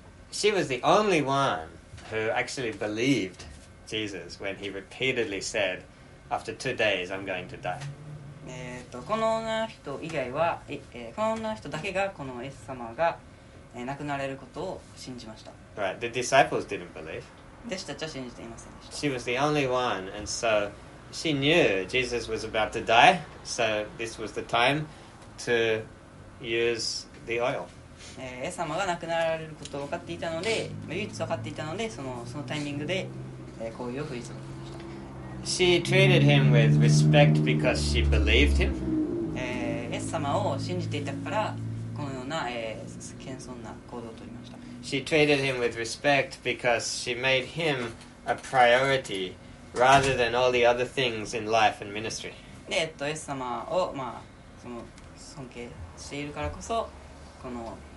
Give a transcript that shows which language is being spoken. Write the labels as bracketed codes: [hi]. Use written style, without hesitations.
[en] She was the only one who actually believed Jesus when he repeatedly said, "After 2 days, I'm going to die." [ja] この女の人以外は、この女の人だけがこのイエス様が、亡くなれることを信じました。 [en] Right. The disciples didn't believe. [ja] 弟子たちは信じていませんでした。 [en] She was the only one, and so she knew Jesus was about to die, so this was the time to use the oil. [ja] イエス様が亡くなられることを分かっていたので、唯一分かっていたので、そのタイミングで、香油を振り注ぎました。 [en] She treated him with respect because she believed him. [ja] イエス様を信じていたからこのような、謙遜な行動を取りました。 [en] She treated him with respect because she made him a priority rather than all the other things in life and ministry. [ja] で、イエス様を、まあ、その尊敬しているからこそこの